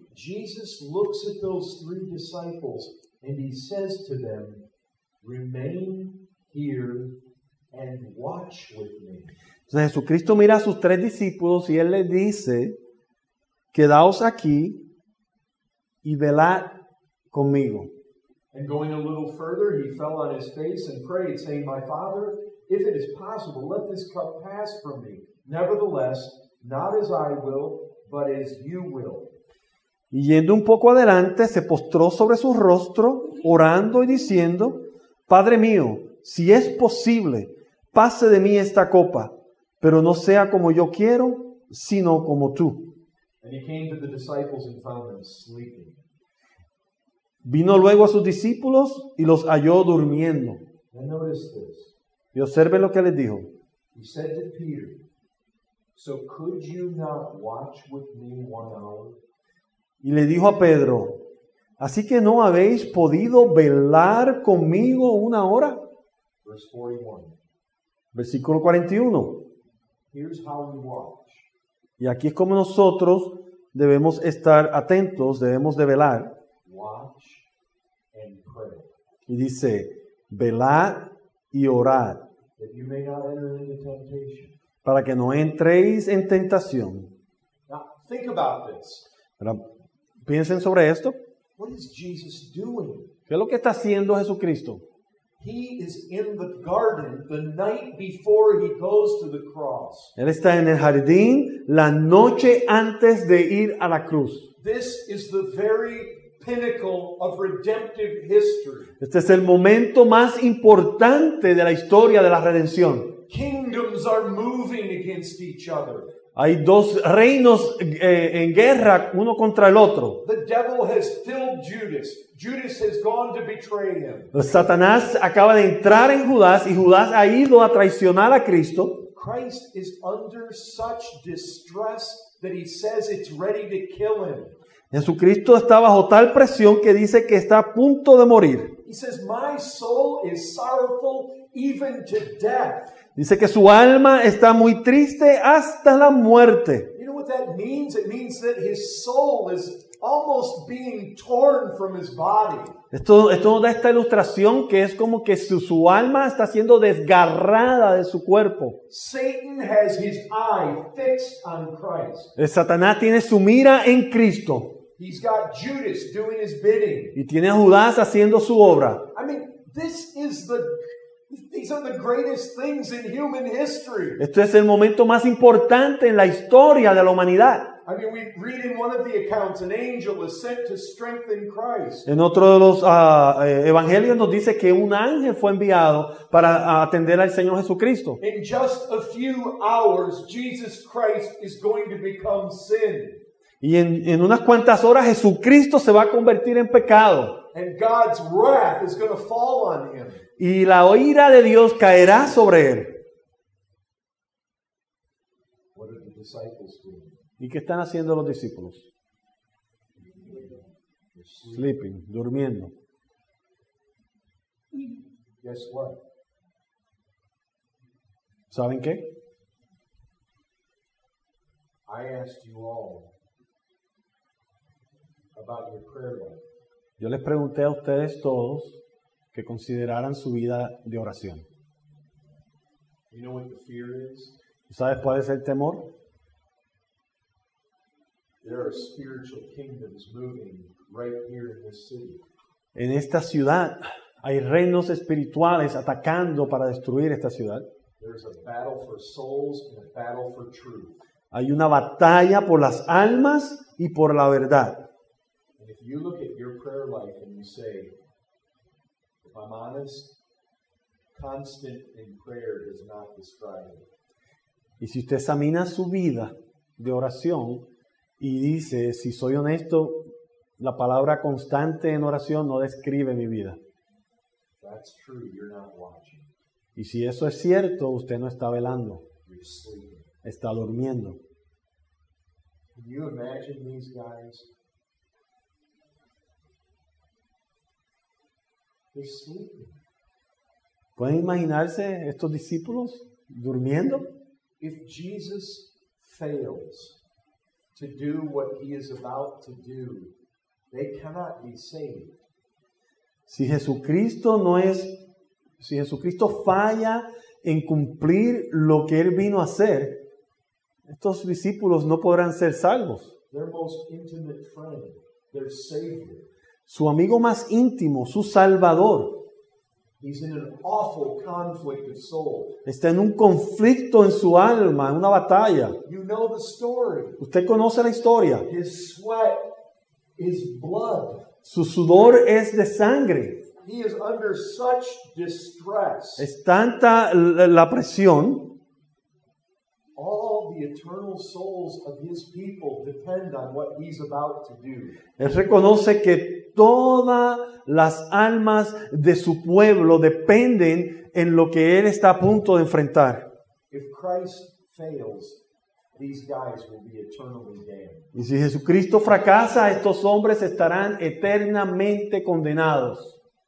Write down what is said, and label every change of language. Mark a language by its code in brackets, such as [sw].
[en] Jesus looks at those three disciples and he says to them, remain here and watch with me. [es] Entonces Jesucristo mira a sus tres discípulos y él les dice, quedaos aquí y velad conmigo. [en] And going a little further, he fell on his face and prayed, saying, my Father, if it is possible, let this cup pass from me. Nevertheless, not as I will, but as you will. [es] Y yendo un poco adelante, se postró sobre su rostro, orando y diciendo, Padre mío, si es posible, pase de mí esta copa, pero no sea como yo quiero, sino como tú. [en] And he came to the disciples and found them sleeping. [es] Vino luego a sus discípulos y los halló durmiendo. [en] And notice this. [es] Y observe lo que les dijo. [en] He said to Peter, so could you not watch with me 1 hour? [es] Y le dijo a Pedro, ¿así que no habéis podido velar conmigo 1 hora? [en] Verse 41. [es] Versículo 41. [en] Here's how we walk. [es] Y aquí es como nosotros debemos estar atentos, debemos de velar. [en] Watch and pray. [es] Y dice, velad y orad. [en] That you may not enter into temptation. [es] Para que no entréis en tentación. [en] Now, think about this. [es] Pero, piensen sobre esto. [en] What is Jesus doing? [es] ¿Qué es lo que está haciendo Jesucristo? [en] He is in the garden the night before he goes to the cross. [es] Él está en el jardín la noche antes de ir a la cruz. [en] This is the very pinnacle of redemptive history. [es] Este es el momento más importante de la historia de la redención. [en] Kingdoms are moving against each other. [es] Hay dos reinos en guerra uno contra el otro. [en] The devil has filled Judas. Judas has gone to betray him. [es] Satanás acaba de entrar en Judas y Judas ha ido a traicionar a Cristo. [en] Christ is under such distress that he says it's ready to kill him. [es] Jesucristo está bajo tal presión que dice que está a punto de morir. [en] He says, my soul is sorrowful even to death. [es] Dice que su alma está muy triste hasta la muerte. [en] You know what that means? It means that his soul is almost being torn from his body. [es] Esto nos da esta ilustración que es como que su alma está siendo desgarrada de su cuerpo. [en] Satan has his eye fixed on Christ. [es] El Satanás tiene su mira en Cristo. [en] He's got Judas doing his bidding. [es] Y tiene a Judas haciendo su obra. [en] I mean, these are the greatest things in human history. [es] Este es el momento más importante en la historia de la humanidad. [en] I mean, we read in one of the accounts an angel was sent to strengthen Christ. [es] En otro de los evangelios nos dice que un ángel fue enviado para atender al Señor Jesucristo. [en] In just a few hours, Jesus Christ is going to become sin. [es] Y en unas cuantas horas Jesucristo se va a convertir en pecado. [en] And God's wrath is going to fall on him. [es] Y la ira de Dios caerá sobre él. [en] What are the disciples doing? [es] ¿Y qué están haciendo los discípulos? [en] Sleeping, [es] durmiendo. [en] Guess what? [es] ¿Saben qué? [en] I asked you all about your prayer life. [es] Yo les pregunté a ustedes todos que consideraran su vida de oración. [en] You know what the fear is? [es] ¿Sabes cuál es el temor? [en] There are spiritual kingdoms moving right here in this city. [es] En esta ciudad hay reinos espirituales atacando para destruir esta ciudad. [en] There's a battle for souls and a battle for truth. [es] Hay una batalla por las almas y por la verdad. [en] And if you look at your prayer life and you say, if I'm honest, constant in prayer does not describe it. [es] Y si usted examina su vida de oración y dice, si soy honesto, la palabra constante en oración no describe mi vida. [en] That's true, you're not watching. [es] Y si eso es cierto, usted no está velando. [en] You're sleeping. [es] Está durmiendo. [en] Can you imagine these guys? They're sleeping. [es] ¿Pueden imaginarse estos discípulos durmiendo? [en] If Jesus fails to do what he is about to do, they cannot be saved. [es] Si Jesucristo falla en cumplir lo que él vino a hacer, estos discípulos no podrán ser salvos. [en] Their most intimate friend, their savior. [es] Su amigo más íntimo, su salvador. [en] He's in an awful conflict of soul. [es] Está en un conflicto en su alma, en una batalla. [en] You know the story. [es] Usted conoce la historia. [en] His sweat is blood. [es] Su sudor es de sangre. [en] He is under such distress. [es] Es tanta la presión. [en] All the eternal souls of his people depend on what he's about to do. [es] Él reconoce que todas las almas de su pueblo dependen en lo que él está a punto de enfrentar. [en] If Christ fails, these guys will be eternally damned. [es] Y si Jesucristo fracasa, estos hombres estarán eternamente condenados.